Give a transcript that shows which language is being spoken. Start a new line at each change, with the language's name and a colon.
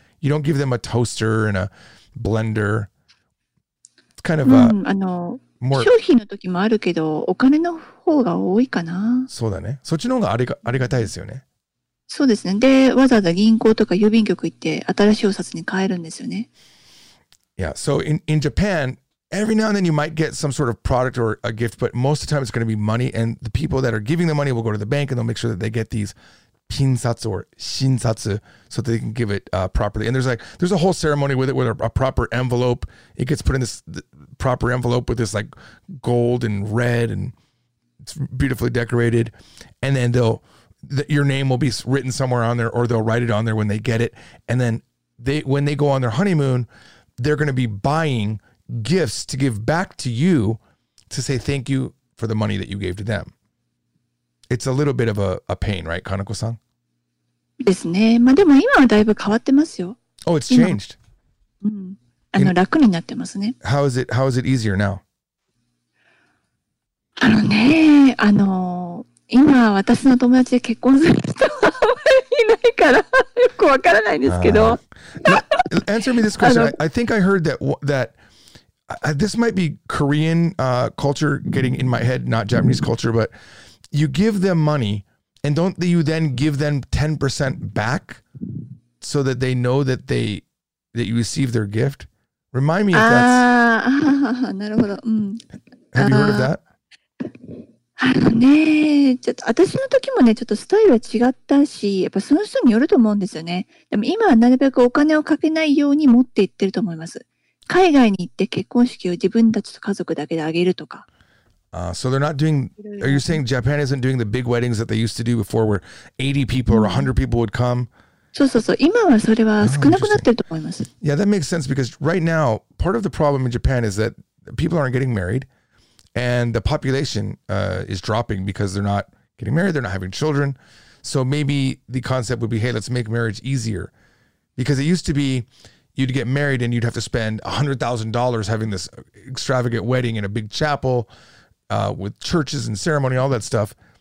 English: You don't give them a toaster and a blender. It's kind of
Japanese: more 商品の時もあるけど、お金の方が多いかな。そうだね。そっちの方がありがたいですよね。そうですね。で、わざわざ銀行とか郵便局行って新しいお札に変えるんですよね。
English: Yeah, so in Japan, every now and then you might get some sort of product or a gift, but most of the time it's going to be money, and the people that are giving the money will go to the bank and they'll make sure that they get these pinsatsu or shinsatsu so that they can give it properly. And there's a whole ceremony with it with a proper envelope. It gets put in this proper envelope with this like gold and red, and it's beautifully decorated. And then your name will be written somewhere on there, or they'll write it on there when they get it. And then when they go on their honeymoon, they're going to be buying gifts to give back to you to say thank you for the money that you gave to them. It's a little bit of a pain, right, Kanako-san?
Japanese: ですね。まあでも今はだいぶ変わってますよ。
English: Oh, it's changed.
Japanese: うん。楽になってますね。
English: How is it easier now?
Japanese: あのね、今私の友達で結婚する人はいないからよくわからないんですけど。
English: Answer me this question. I think I heard that this might be Korean culture getting in my head, not Japanese culture, but you give them money and don't you then give them 10% back so that they know that that you receive their gift? Remind me if that's...
Japanese: なるほど。
English: Have you heard of that?
Japanese: あのね、ちょっと私の時もね、ちょっとスタイルは違ったし、やっぱその人によると思うんですよね。でも今はなるべくお金をかけないように持っていってると思います。海外に行って結婚式を自分たちと家族だけであげるとか。
English: So they're not doing, are you saying Japan isn't doing the big weddings that they used to do before where 80 people or 100 people would come?
Japanese: そうそうそう、今はそれは少なくなってると思います。
English: Yeah, that makes sense because right now, part of the problem in Japan is that people aren't getting married and the population is dropping because they're not getting married, they're not having children. So maybe the concept would be, hey, let's make marriage easier. Because it used to be you'd get married and you'd have to spend $100,000 having this extravagant wedding in a big chapel, with churches and ceremony, all that stuff.